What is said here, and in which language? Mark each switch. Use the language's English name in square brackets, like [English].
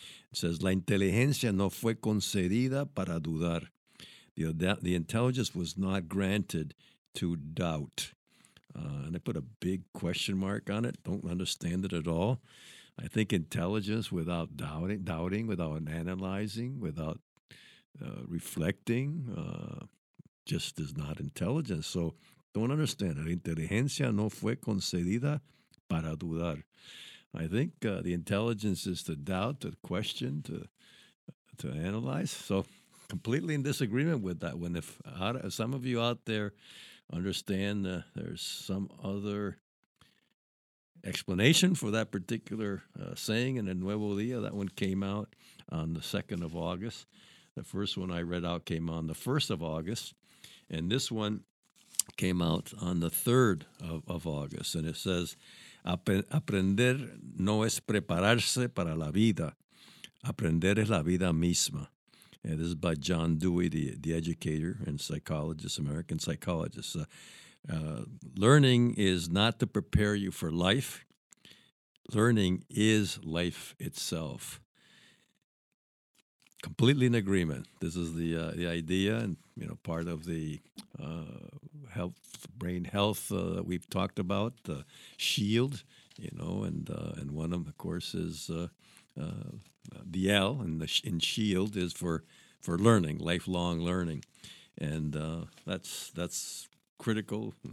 [English] It says, [Spanish] la inteligencia no fue concedida para dudar. [English] The intelligence was not granted to doubt. And I put a big question mark on it. Don't understand it at all. I think intelligence without doubting, without analyzing, without reflecting, just is not intelligence. So don't understand. [Spanish] La inteligencia no fue concedida para dudar. [English] I think the intelligence is to doubt, to question, to analyze. So completely in disagreement with that one. If some of you out there understand there's some other explanation for that particular saying in the Nuevo Día, that one came out on the 2nd of August. The first one I read out came on the 1st of August. And this one came out on the 3rd of August. And it says, [Spanish] aprender no es prepararse para la vida. Aprender es la vida misma. [English] And this is by John Dewey, the educator and psychologist, American psychologist. Learning is not to prepare you for life. Learning is life itself. Completely in agreement. This is the idea, and you know, part of the health, brain health that we've talked about, the SHIELD, you know, and one of them, of course, is the L in SHIELD is for learning, lifelong learning, and that's critical.